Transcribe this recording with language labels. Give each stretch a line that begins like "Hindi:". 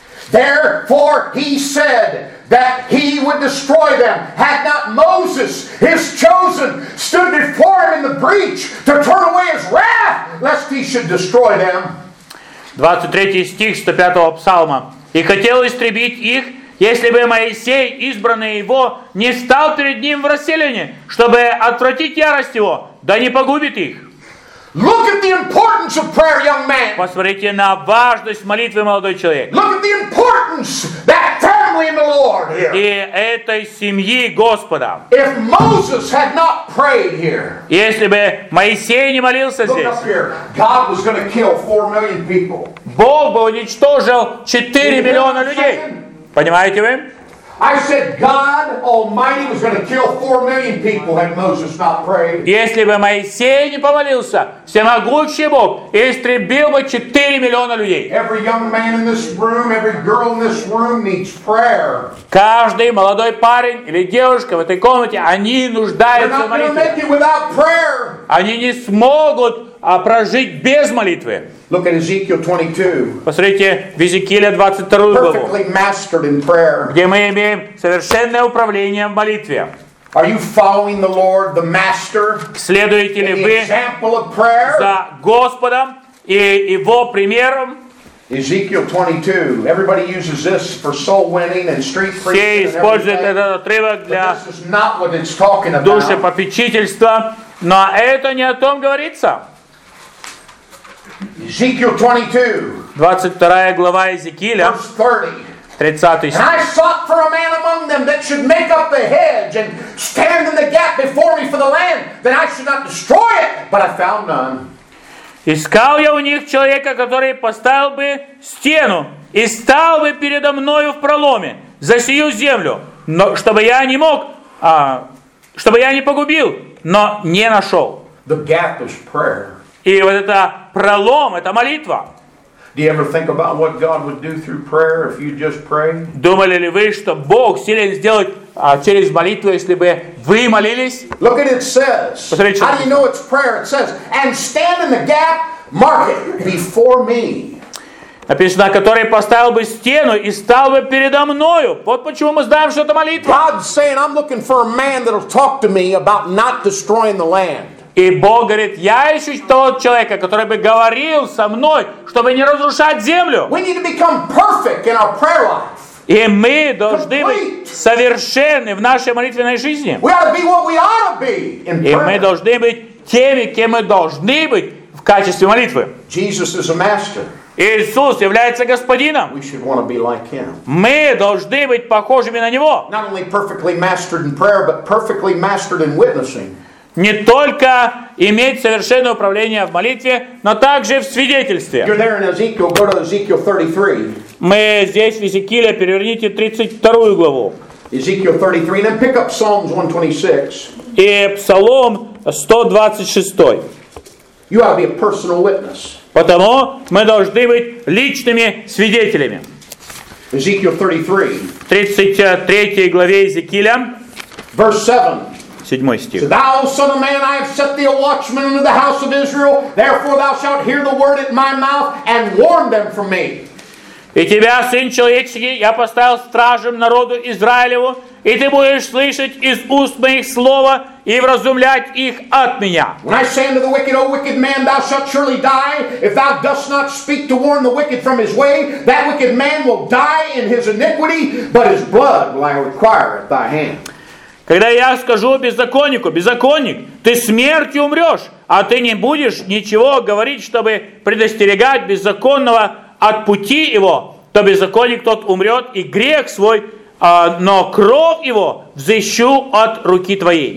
English: Therefore he said that he would destroy them had not Moses, his chosen, stood before him in the breach to turn away his wrath, lest he should destroy them.
Russian: 23 стих 105 псалма. И хотел истребить их, если бы Моисей, избранный его, не стал перед ним в расселении, чтобы отвратить ярость его, да не погубит их.
English: Look at the importance of prayer, young man.
Russian: Посмотрите на важность молитвы, молодой человек.
English: Look at the importance that family in the Lord here.
Russian: И этой семьи Господа.
English: If Moses had not prayed here,
Russian: если бы Моисей не молился здесь,
English: look up here. God was going to kill 4 million people.
Russian: Бог бы уничтожил 4 миллиона людей. Понимаете вы?
English: I said God Almighty was going to kill 4 million people had Moses not prayed.
Russian: Если бы Моисей не помолился, всемогущий Бог истребил бы 4 миллиона людей.
English: Every young man in this room, every girl in this room needs prayer.
Russian: Каждый молодой парень или девушка в этой комнате, они нуждаются в молитве.
English: They're not going to make it without prayer.
Russian: Они не смогут прожить без молитвы.
English: Look at Ezekiel 22.
Russian: Посмотрите в Иезекииле 22 главу.
English: Perfectly mastered in prayer.
Russian: Где мы имеем совершенное управление в молитве.
English: Are you following the Lord, the Master?
Russian: Следуете ли вы за Господом и Его примером?
English: Ezekiel 22. Everybody uses this for soul winning and street preaching.
Russian: Все используют этот отрывок для душепопечительства, но это не о том говорится.
English: Ezekiel 22.
Russian: 22 глава Иезекииля.
English: Verse 30.
Russian: 30 стих.
English: And I sought for a man among them that should make up the hedge and stand in the gap before me for the land, that I should not destroy it, but I found none.
Russian: Искал я у них человека, который поставил бы стену и стал бы передо мною в проломе за сию землю, но чтобы я не мог, чтобы я не погубил, но не нашел.
English: The gap is prayer.
Russian: И вот это пролом, это молитва.
English: Do you ever think about what God would do through prayer if you just pray?
Russian: Думали ли вы, что Бог силен сделать через молитву, если бы вы молились?
English: Look at it says.
Russian: Посмотрите, что
English: How do you know it's prayer? It says, and stand in the gap, mark it before me.
Russian: Написано, который поставил бы стену и стал бы передо мною. Вот почему мы знаем, что это молитва.
English: God saying, I'm looking for a man that'll talk to me about not destroying the land.
Russian: И Бог говорит, я ищу тот человека, который бы говорил со мной, чтобы не разрушать землю.
English: We need to become perfect in our prayer life.
Russian: И мы должны быть совершенны в нашей молитвенной жизни.
English: We ought to be what we ought to be in prayer.
Russian: И мы должны быть теми, кем мы должны быть в качестве молитвы.
English: Jesus is a master.
Russian: Иисус является Господином.
English: We should want to be like him.
Russian: Мы должны быть похожими на Него.
English: Not only perfectly mastered in prayer, but perfectly mastered in witnessing.
Russian: Не только иметь совершенное управление в молитве, но также в свидетельстве.
English: You're there in Ezekiel, go to Ezekiel 33.
Russian: Мы здесь в Иезекииле, переверните 32 главу.
English: Ezekiel 33, and then pick up Psalms 126.
Russian: И Псалом 126.
English: You ought to be a personal witness.
Russian: Потому мы должны быть личными свидетелями.
English: Ezekiel
Russian: 33. 33 главе Иезекииля.
English: Verse 7. So thou, son of man, I have set thee a watchman unto the house of Israel. Therefore thou shalt hear the word at my mouth and warn them from me.
Russian: И тебя, сын человеческий, я поставил стражем народу Израилеву, и ты будешь слышать из уст моих слова и вразумлять их от меня.
English: When I say unto the wicked, O wicked man, thou shalt surely die, if thou dost not speak to warn the wicked from his way, that wicked man will die in his iniquity, but his blood will I require at thy hand.
Russian: Когда я скажу беззаконнику, беззаконник, ты смертью умрешь, а ты не будешь ничего говорить, чтобы предостерегать беззаконного от пути его, то беззаконник тот умрет и грех свой, но кровь его взыщу от руки твоей.